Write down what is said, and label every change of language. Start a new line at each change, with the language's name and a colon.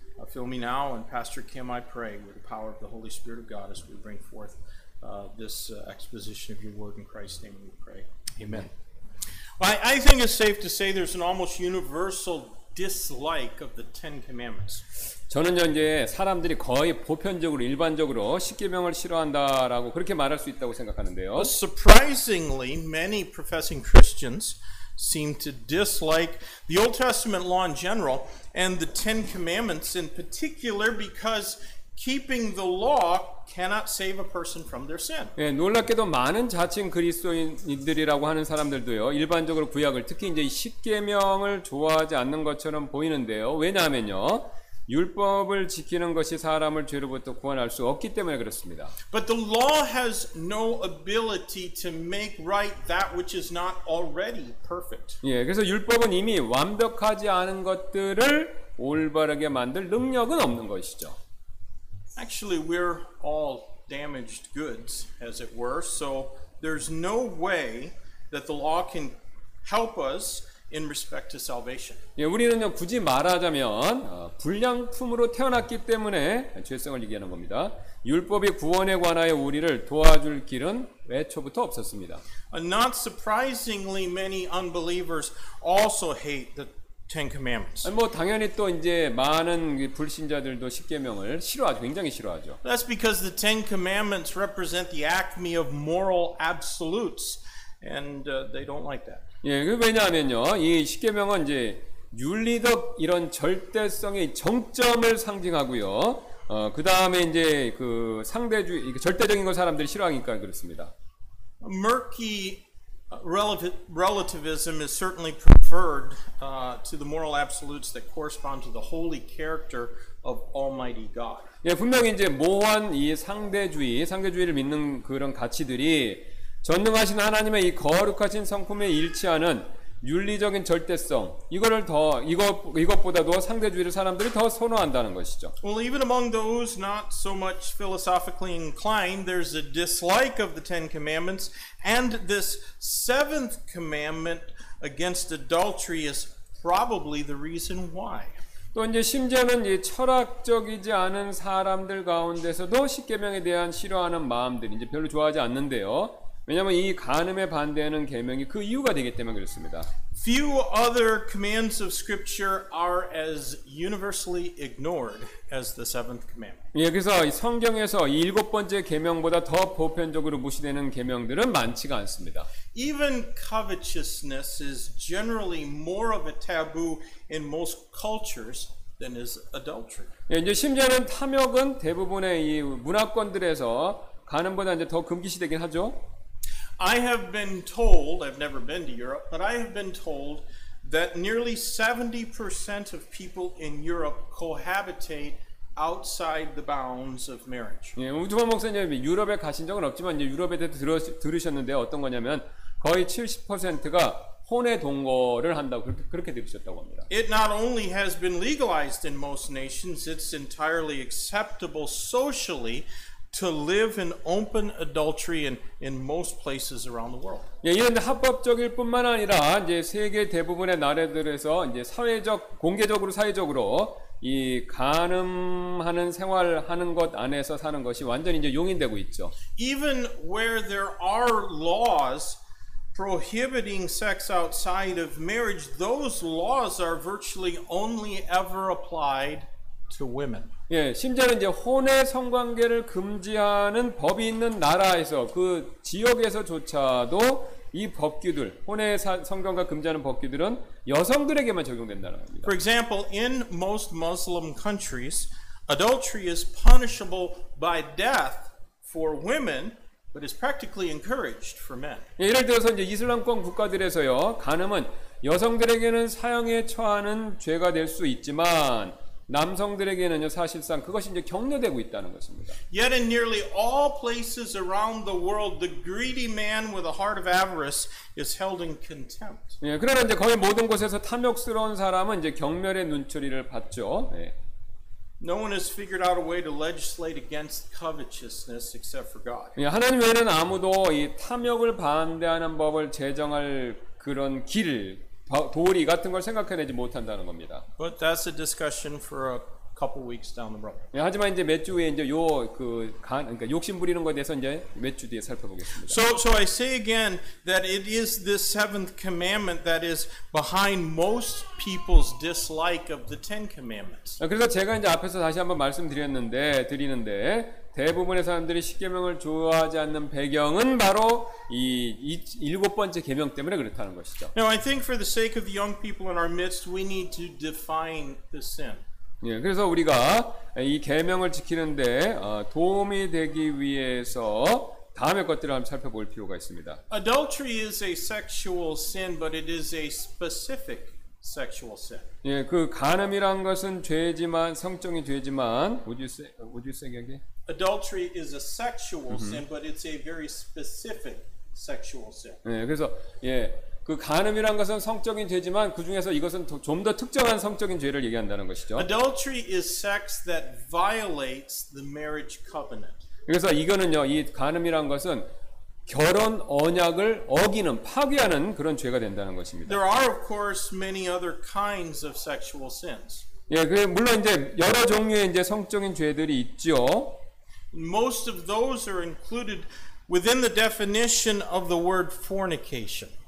English: Fill me now, and Pastor Kim, I pray, with the power of the Holy Spirit of God as we bring forth this exposition of your word. In Christ's name we pray. Amen. I think it's safe to say there's an almost universal dislike of the Ten Commandments.
Korean: 저는요, 이제 사람들이 거의 보편적으로 일반적으로 십계명을 싫어한다라고 그렇게 말할 수 있다고 생각하는데요.
English: But surprisingly, many professing Christians seem to dislike the Old Testament law in general and the Ten Commandments in particular because keeping the law cannot save a person from their sin.
Korean: 예, 놀랍게도 많은 자칭 그리스도인들이라고 하는 사람들도요. 일반적으로 구약을 특히 이제 십계명을 좋아하지 않는 것처럼 보이는데요. 왜냐하면요. 율법을 지키는 것이 사람을 죄로부터 구원할 수 없기 때문에 그렇습니다.
English: But the law has no ability to make right that which is not already perfect.
Korean: 예, 그래서 율법은 이미 완벽하지 않은 것들을 올바르게 만들 능력은 없는 것이죠.
English: Actually, we're all damaged goods, as it were, so there's no way that the law can help us in respect to salvation.
Korean: 예, 우리는요, 굳이 말하자면 불량품으로 태어났기 때문에 죄성을 얘기하는 겁니다. 율법이 구원에 관하여 우리를 도와줄 길은 애초부터 없었습니다.
English: Not surprisingly, many unbelievers also hate the Ten Commandments.
Korean: 뭐 당연히 또 이제 많은 불신자들도 십계명을 싫어하죠. 굉장히 싫어하죠.
English: That's because the Ten Commandments represent the acme of moral absolutes, and they don't like that.
Korean: 예, 그 왜냐하면요, 이 십계명은 이제 윤리적 이런 절대성의 정점을 상징하고요. 그 다음에 이제 그 상대주의, 절대적인 걸 사람들이 싫어하니까 그렇습니다.
English: Murky. Relativism is certainly preferred to the moral absolutes that correspond to the holy character of Almighty God.
Korean: 예, 분명히 이제 모호한 이 상대주의, 상대주의를 믿는 그런 가치들이 전능하신 하나님의 이 거룩하신 성품에 일치하는 윤리적인 절대성 이거를 더 이것보다도 상대주의를 사람들이 더 선호한다는 것이죠.
English: Well, even among those not so much philosophically inclined, there's a dislike of the Ten Commandments, and this seventh commandment against adultery is probably the reason why.
Korean: 또 이제 심지어는 이 철학적이지 않은 사람들 가운데서도 십계명에 대한 싫어하는 마음들이 이제 별로 좋아하지 않는데요. 왜냐하면 이 간음에 반대하는 계명이 그 이유가 되기 때문에 그렇습니다.
English: Few other commands of Scripture are as universally ignored as the seventh commandment.
Korean: 예, 그래서 성경에서 이 일곱 번째 계명보다 더 보편적으로 무시되는 계명들은 많지가 않습니다.
English: Even covetousness is generally more of a taboo in most cultures than is adultery.
Korean: 예, 이제 심지어는 탐욕은 대부분의 이 문화권들에서 간음보다 이제 더 금기시되긴 하죠.
English: I have been told, I've never been to Europe, but I have been told that nearly 70% of people in Europe cohabitate outside the bounds of marriage.
Korean: 예, 우주범 목사님이 유럽에 가신 적은 없지만 이제 유럽에 대해서 들으셨는데 어떤 거냐면 거의 70%가 혼외 동거를 한다고 그렇게 들으셨다고 합니다.
English: It not only has been legalized in most nations, it's entirely acceptable socially. to live in open adultery in most places around the world.
Korean: 예, 이건 합법적일 뿐만 아니라 이제 세계 대부분의 나라들에서 이제 사회적 공개적으로 사회적으로 이 간음하는 생활하는 것 안에서 사는 것이 완전히 이제 용인되고 있죠.
English: Even where there are laws prohibiting sex outside of marriage, those laws are virtually only ever applied to women.
Korean: 예, 심지어는 이제 혼외 성관계를 금지하는 법이 있는 나라에서 그 지역에서조차도 이 법규들, 혼외 성관계 금지하는 법규들은 여성들에게만 적용된다는 겁니다.
English: For example, in most Muslim countries, adultery is punishable by death for women, but is practically encouraged for men.
Korean: 예, 예를 들어서 이제 이슬람권 국가들에서요, 간음은 여성들에게는 사형에 처하는 죄가 될 수 있지만 남성들에게는요 사실상 그것이 이제 격려되고 있다는 것입니다.
English: Yet in nearly all places around the world, the greedy man with a heart of avarice is held in contempt.
Korean: 예, 그러나 이제 거의 모든 곳에서 탐욕스러운 사람은 이제 경멸의 눈초리를 받죠. 예.
English: No one has figured out a way to legislate against covetousness except for God.
Korean: 예, 하나님 외에는 아무도 이 탐욕을 반대하는 법을 제정할 그런 길을 도리 같은 걸 생각해내지 못한다는 겁니다.
English: But that's a discussion for a couple weeks down the road.
Korean: 예, 하지만 이제 몇 주 후에 이제 요 그 간 그러니까 욕심 부리는 것에 대해서 이제 몇 주 뒤에 살펴보겠습니다.
English: So I say again that it is this seventh commandment that is behind most people's dislike of the Ten Commandments.
Korean: 그래서 제가 이제 앞에서 다시 한번 말씀드리는데 대부분의 사람들이 십계명을 좋아하지 않는 배경은 바로 이 일곱 번째 계명 때문에 그렇다는 것이죠.
English: Now I think for the sake of the young people in our midst, we need to define the sin.
Korean: 예, 그래서 우리가 이 계명을 지키는데 도움이 되기 위해서 다음의 것들을 한번 살펴볼 필요가 있습니다.
English: Adultery is a sexual sin, but it is a specific sexual sin.
Korean: 예, 그 간음이란 것은 죄지만 성적인 죄지만 우주세계에게
English: Adultery is a sexual sin, but it's a very specific sexual sin.
Korean: 네, 그래서 예, 그 간음이란 것은 성적인 죄지만 그 중에서 이것은 좀 더 특정한 성적인 죄를 얘기한다는 것이죠.
English: Adultery is sex that violates the marriage covenant.
Korean: 그래서 이거는요, 이 간음이란 것은 결혼 언약을 어기는 파괴하는 그런 죄가 된다는 것입니다.
English: There are, of course, many other kinds of sexual sins.
Korean: 예, 그 물론 이제 여러 종류의 이제 성적인 죄들이 있죠.
English: Most of those are included within the definition of the word fornication.